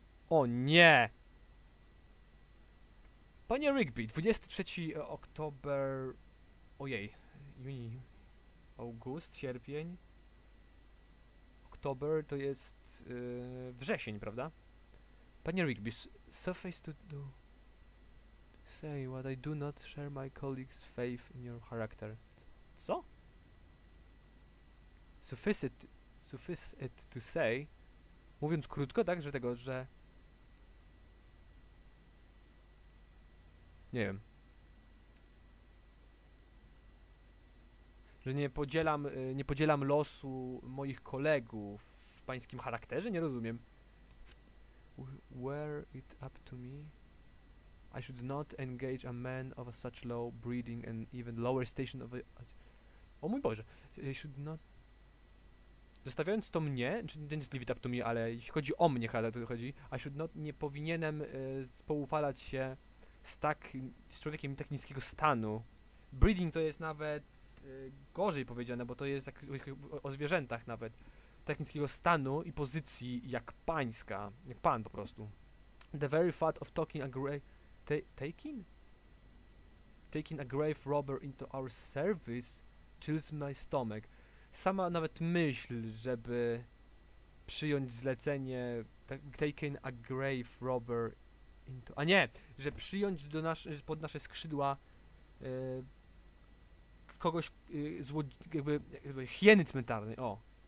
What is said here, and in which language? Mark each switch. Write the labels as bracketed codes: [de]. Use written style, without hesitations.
[pl] O nie! Panie Rigby, 23 oktober... ojej. Juni... august, sierpień... oktober to jest wrzesień, prawda? [en] Panie Rigby, suffice to do... say what I do not share my colleagues' faith in your character. Co? suffice it to say, [pl] mówiąc krótko, tak, że tego, że... Nie wiem. Że nie podzielam losu moich kolegów w pańskim charakterze? Nie rozumiem. [en] Were it up to me, I should not engage a man of a such low breeding and even lower station of a... [pl] O mój Boże. [en] I should not... [pl] Zostawiając to mnie, czyli to nie jest [en] leave it up to me, [pl] ale jeśli chodzi o mnie, chyba to chodzi, [en] I should not, [pl] nie powinienem spoufalać się z tak, z człowiekiem tak niskiego stanu. Breeding to jest nawet gorzej powiedziane, bo to jest tak o zwierzętach nawet. Tak niskiego stanu i pozycji jak pańska, jak pan po prostu. [en] The very thought of talking a grave... Taking a grave robber into our service chills my stomach. [pl] Sama nawet myśl, żeby przyjąć zlecenie [en] taking a grave robber into... [pl] A nie! Że przyjąć do pod nasze skrzydła kogoś jakby hieny cmentarnej, o!